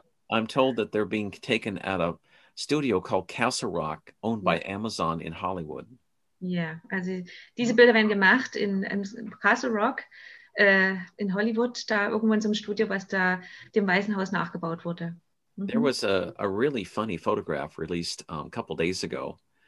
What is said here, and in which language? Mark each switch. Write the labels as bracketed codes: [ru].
[en] I'm told that they're being taken at a studio called Castle Rock, owned by Amazon in Hollywood. [de] Ja, yeah. Also diese Bilder werden gemacht in Castle Rock in Hollywood, da irgendwo in so einem Studio, was da dem Weißen Haus nachgebaut wurde. Mm-hmm. [en] There was a really funny photograph released a couple days ago.